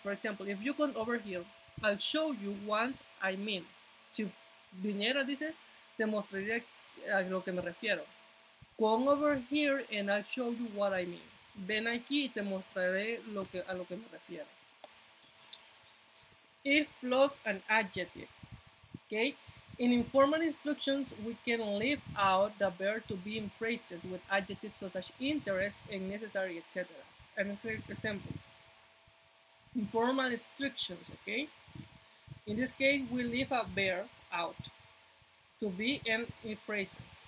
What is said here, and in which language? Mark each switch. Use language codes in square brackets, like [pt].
[en] For example, if you come over here, I'll show you what I mean. [es] Si viniera, dice, te mostraría a lo que me refiero. [en] Come over here and I'll show you what I mean. [es] Ven aquí y te mostraré a lo que me refiero. [en] If plus an adjective. Okay? In informal instructions, we can leave out the verb to be in phrases with adjectives such as interest and necessary, etc. An example. Informal instructions, okay? In this case, we leave a verb out to be in phrases.